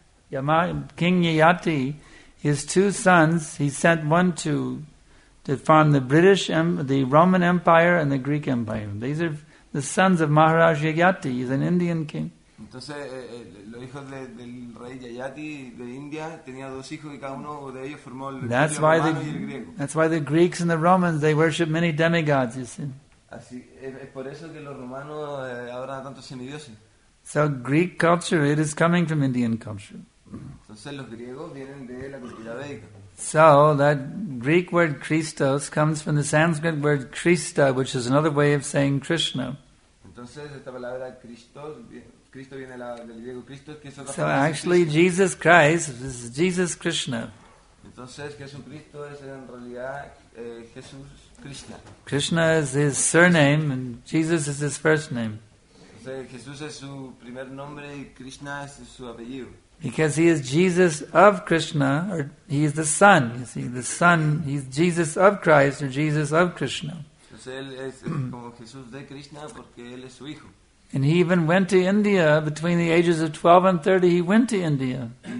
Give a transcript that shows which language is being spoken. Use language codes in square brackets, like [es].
[en] King Yayati, his two sons, he sent one to farm the British, the Roman Empire and the Greek Empire. These are the sons of Maharaj Yayati. He's an Indian king. [es] Entonces, los hijos del rey Yayati de India tenía dos hijos y cada uno de ellos formó el griego. [en] That's why the Greeks and the Romans, they worship many demigods, you see. [es] Así es por eso que los romanos adoran a tantos semidioses. [en] So Greek culture, it is coming from Indian culture. [es] Entonces los griegos vienen de la cultura védica. [en] So, that Greek word Christos comes from the Sanskrit word Krista, which is another way of saying Krishna. [es] Entonces, esta palabra Christos, Cristo viene del griego Cristo, que es otra palabra. [en] So, actually, Jesus Christ is Jesus Krishna. [es] Entonces, Jesucristo es en realidad Jesús Krishna. [en] Krishna is his surname and Jesus is his first name. [es] Entonces, Jesús es su primer nombre y Krishna es su apellido. [en] Because he is Jesus of Krishna, or he is the Son, you see, the Son, he's Jesus of Christ, or Jesus of Krishna. And he even went to India between the ages of 12 and 30, he went to India.